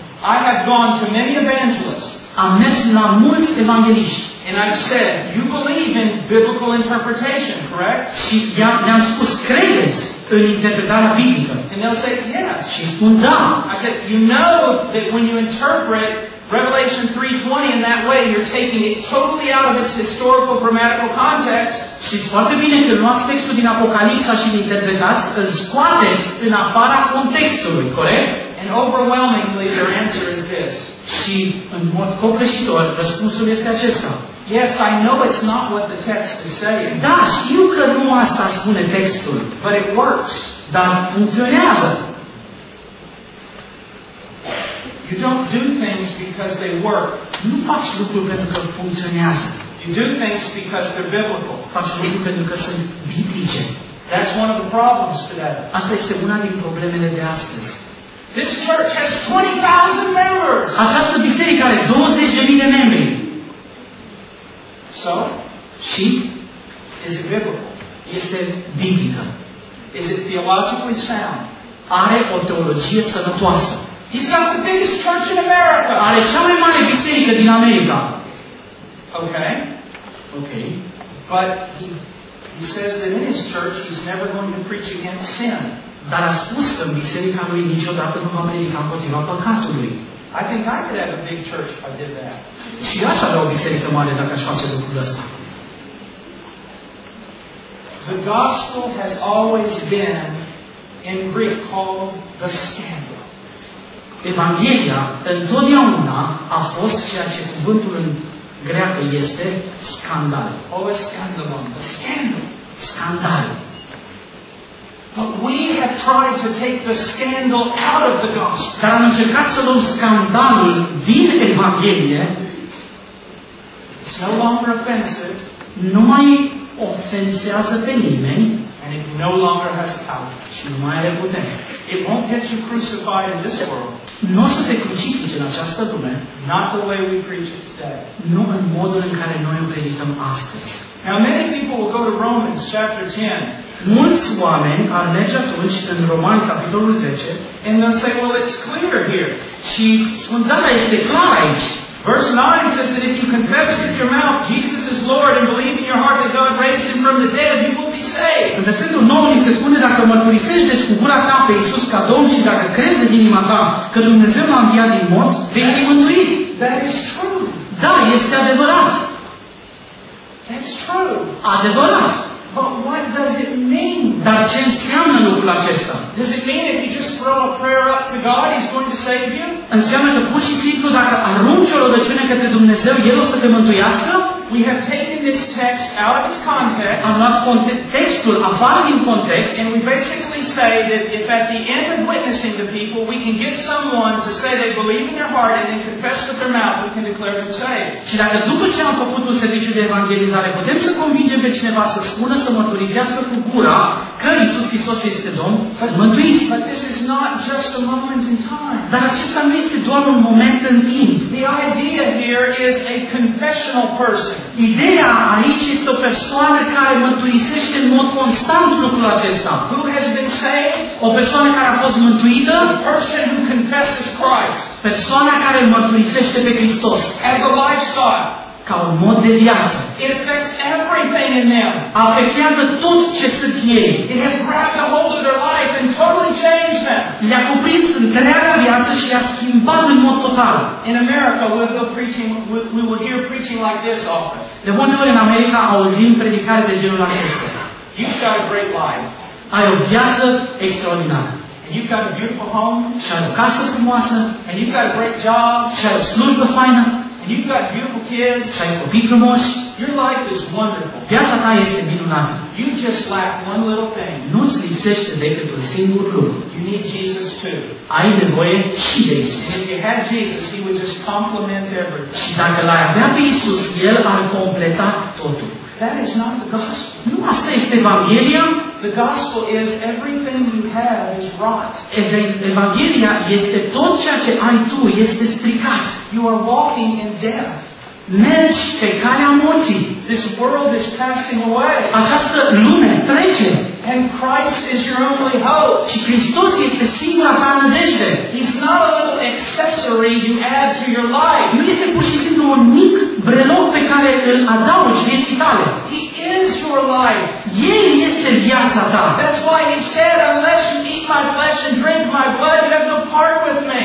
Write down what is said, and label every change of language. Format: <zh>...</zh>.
<en>I have gone to many evangelists.</en> <ro>Am mers la mulți evangeliști.</ro> <en>And I said, you believe in biblical interpretation, correct?</en> <ro>Și i-am spus, credeți în interpretarea biblică.</ro> <en>And they'll say, yes.</en> <ro>Și spun, da.</ro> <en>I said, you know that when you interpret Revelation 3:20 in that way, you're taking it totally out of its historical grammatical context.</en> <ro>Și foarte bine că luați textul din Apocalipsa și îl interpretați, îl scoateți în afara contextului, corect?</ro> <en>And overwhelmingly, their answer is this.</en> <ro>Și în mod copleșitor, răspunsul este acesta.</ro> <en>Yes, I know it's not what the text is saying.</en> <ro>Da, știu că nu asta spune textul.</ro> <en>But it works.</en> <ro>Dar funcționează.</ro> <en>You don't do things because they work.</en> <ro>Nu faci lucruri pentru că funcționează.</ro> <en>You do things because they're biblical.</en> <ro>Faci lucruri pentru că sunt biblice.</ro> <en>That's one of the problems today.</en> <ro>Asta este una din problemele de astăzi.</ro> <en>This church has 20,000 members.</en> <ro>Această biserică are 20,000 de membri.</ro> <en>So?</en> <ro>Și?</ro> <en>Is it biblical?</en> <ro>Este biblică.</ro> <en>Is it theologically sound?</en> <ro>Are o teologie sănătoasă.</ro> <en>He's got the biggest church in America.</en> <ro>Are cea mai mare biserică din America.</ro> <en>Okay.</en> <ro>Okay.</ro> <en>But he says that in his church he's never going to preach against sin.</en> <ro>Dar a spus că în biserica lui niciodată nu va predica împotriva păcatului.</ro> <en>I think I could have a big church if I did that.</en> <ro>Și aș avea o biserică mare dacă aș face lucrul ăsta.</ro> <en>The gospel has always been in Greek called the scandal.</en> <ro>Evanghelia întotdeauna a fost ceea ce cuvântul în greacă este scandal.</ro> <en>Oh, scandal.</en> <ro>Scandal. Scandal.</ro> <en>But we have tried to take the scandal out of the gospel.</en> <ro>Dar am încercat să luăm scandalul din Evanghelie.</ro> <en>It's no longer offensive.</en> <ro>Nu mai ofensează pe nimeni.</ro> <en>And it no longer has power.</en> <ro>Și nu mai are putere.</ro> <en>It won't get you crucified in this world.</en> <ro>Nu o să te crucifice în această lume.</ro> <en>Not the way we preach it today.</en> <ro>Nu în modul în care noi o predicăm astăzi.</ro> <en>Now many people will go to Romans chapter 10.</en> <ro>Mulți oameni ar merge atunci în Romani capitolul 10</ro> <en>and they'll say, well, it's clear here.</en> <ro>Și spun, da, dar este clar aici.</ro> <en>Verse 9 says that if you confess with your mouth Jesus is Lord and believe in your heart that God raised him from the dead, you will be saved.</en> <ro>În versetul 9 se spune, dacă mărturisești deci cu gura ta pe Iisus ca Domn și dacă crezi în inima ta că Dumnezeu l-a înviat din morți, vei fi mântuit.</ro> <en>That is true.</en> <ro>Da, este adevărat.</ro> <en>That's true.</en> <ro>Adevărat.</ro> <en>But what does it mean?</en> <ro>Dar ce înseamnă lucrul acesta?</ro> <en>Does it mean if you just throw a prayer up to God, He's going to save you?</en> <ro>Înseamnă că pur și simplu dacă arunci o rugăciune către Dumnezeu, El o să te mântuiască?</ro> <en>We have taken this text out of its context.</en> <ro>Am luat textul afară din context.</ro> <en>And we basically say that if at the end of witnessing to people, we can get someone to say they believe in their heart and then confess with their mouth, we can declare them saved.</en> <ro>Și dacă după ce am făcut un serviciu de evangelizare, putem să convingem pe cineva să spună, să mărturisească cu gura că Iisus Hristos este Domn, mântuiți.</ro> <en>But this is not just a moment in time.</en> <ro>Dar acesta nu este doar un moment în timp.</ro> <en>The idea here is a confessional person.</en> <ro>Ideea aici este o persoană care mântuisește în mod constant lucrul acesta.</ro> <en>Who has been saved?</en> <ro>O persoană care a fost mântuită.</ro> <en>A person who confesses Christ.</en> <ro>Persoana care mărturisește pe Hristos.</ro> <en>As a lifestyle.</en> <ro>Ca un mod de viață.</ro> <en>It affects everything in them.</en> <ro>Afectează tot ce sunt ei.</ro> <en>It has grabbed a hold of their life and totally changed them.</en> <ro>Le-a cuprins întreaga viață și le-a schimbat în mod total.</ro> <en>In America, we will hear preaching like this often.</en> <ro>De multe ori în America auzim predicare de genul acesta.</ro> <en>You've got a great life.</en> <ro>Ai o viață extraordinară.</ro> <en>And you've got a beautiful home.</en> <ro>Și ai o casă frumoasă.</ro> <en>And you've got a great job.</en> <ro>Și ai o slujbă faină.</ro> <en>You've got beautiful kids.</en> <ro>Ai copii frumoși.</ro> <en>Your life is wonderful.</en> <ro>Viața ta este minunată.</ro> <en>You just lack one little thing.</en> <ro>Nu-ți lipsește decât un singur lucru.</ro> <en>You need Jesus too.</en> <ro>Ai nevoie și de Iisus.</ro> <en>If you had Jesus, He would just complement everything.</en> <ro>Și dacă l-ai avea pe Iisus, El ar completa totul.</ro> <en>That is not the gospel.</en> <ro>Nu asta este Evanghelia.</ro> <en>The gospel is everything you have is rot.</en> <ro>Evanghelia este tot ceea ce ai tu este stricat.</ro> <en>You are walking in death.</en> <ro>Mergi pe calea morții.</ro> <en>This world is passing away.</en> <ro>Această lume trece.</ro> <en>And Christ is your only hope.</en> <ro>Și Hristos este singura ta nădejde.</ro> <en>He's not a little accessory jewelry you add to your life.</en> <ro>Nu este pur și simplu un mic brelou pe care îl adaugi vieții tale.</ro> <en>He is your life.</en> <ro>El este viața ta.</ro> <en>That's why he said, unless you eat my flesh and drink my blood, you have no part with me.</en>